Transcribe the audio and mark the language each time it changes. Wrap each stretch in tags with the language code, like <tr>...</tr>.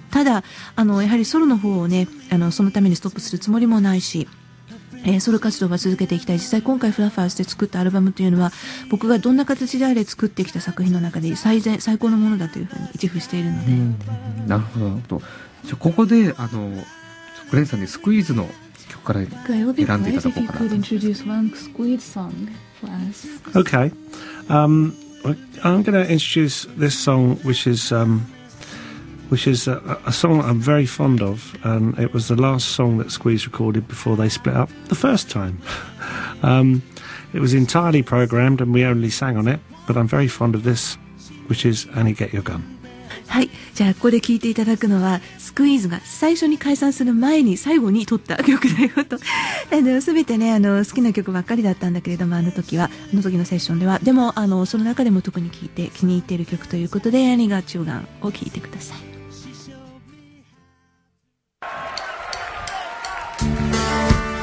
<ja>ただあのやはりソロの方をね、あのそのためにストップするつもりもないし、ソロ活動は続けていきたい。実際今回フラファーズで作ったアルバムというのは僕がどんな形であれ作ってきた作品の中で最高のものだというふうに自負しているので。なるほど、なるほど。じゃあここであのグレンさんにスクイーズの曲から選んでいただこうかな。</ja> <en>Okay, I'm going to introduce this song, which is a song I'm very fond of, and it was the last song that Squeeze recorded before they split up the first time. It was entirely programmed and we only sang on it, but I'm very fond of this, which is Annie Get Your Gun.</en> <ja>はい、じゃあここで聴いていただくのはスクイーズが最初に解散する前に最後に撮った曲だよと。あの全てね、あの好きな曲ばっかりだったんだけれども、あの時のセッションではでもあのその中でも特に聴いて気に入っている曲ということで、アニガチョウガンを聴いてください。</ja>